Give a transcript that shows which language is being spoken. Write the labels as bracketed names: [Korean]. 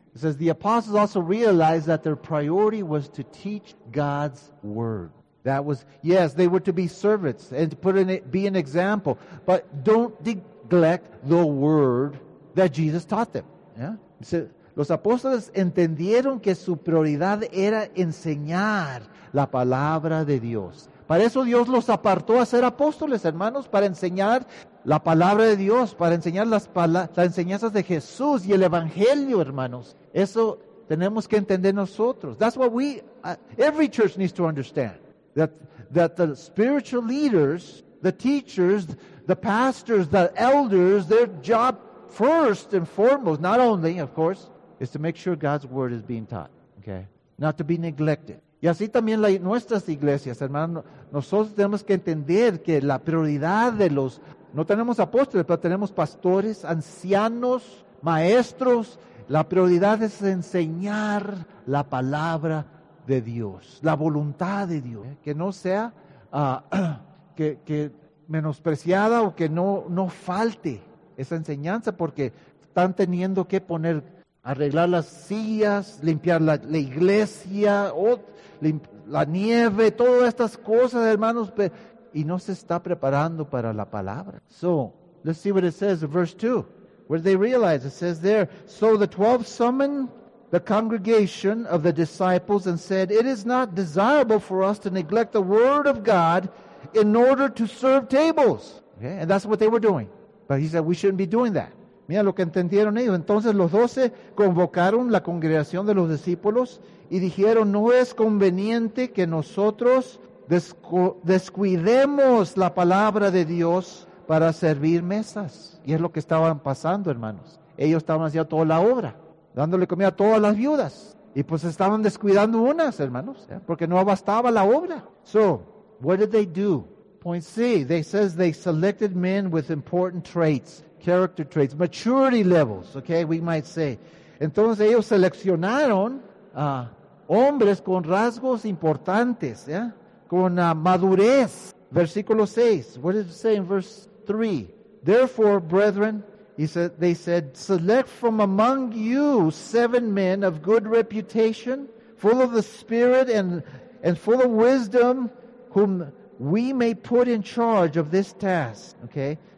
[English] It says the apostles also realized that their priority was to teach God's word. That was, yes, they were to be servants and to put in it, be an example. But don't neglect the word that Jesus taught them. Yeah? [Spanish] Dice, los apóstoles entendieron que su prioridad era enseñar la palabra de Dios. Para eso Dios los apartó a ser apóstoles, hermanos, para enseñar la palabra de Dios, para enseñar las enseñanzas de Jesús y el Evangelio, hermanos. Eso tenemos que entender nosotros. [English] That's what every church needs to understand. That the spiritual leaders, the teachers, the pastors, the elders, their job first and foremost, not only, of course, is to make sure God's word is being taught, okay? Not to be neglected. [Spanish] Y así también nuestras iglesias, hermanos, nosotros tenemos que entender que la prioridad de los, no tenemos apóstoles, pero tenemos pastores, ancianos, maestros, la prioridad es enseñar la palabra de Dios, la voluntad de Dios, que no sea que menospreciada o que no falte esa enseñanza, porque están teniendo que poner, arreglar las sillas, limpiar la iglesia, la nieve, todas estas cosas, hermanos, y no se está preparando para la palabra. [English] So, let's see what it says in verse 2, where they realize, it says there, so the 12 summoned the congregation of the disciples and said, it is not desirable for us to neglect the word of God in order to serve tables. Okay? And that's what they were doing. But he said, we shouldn't be doing that. [Spanish] Mira lo que entendieron ellos. Entonces los doce convocaron la congregación de los discípulos y dijeron, no es conveniente que nosotros descuidemos la palabra de Dios para servir mesas. Y es lo que estaban pasando, hermanos. Ellos estaban haciendo toda la obra, dándole comida a todas las viudas. Y pues estaban descuidando unas, hermanos, ¿eh? Porque no abastaba la obra. [English] So, what did they do? Point C, they says they selected men with important traits, character traits, maturity levels, okay, we might say. [Spanish] Entonces ellos seleccionaron hombres con rasgos importantes, ¿eh? Con madurez. Versículo 6, [English] what does it say in verse 3? Therefore, brethren, they said, select from among you 7 men of good reputation, full of the Spirit and full of wisdom, whom we may put in charge of this task, okay?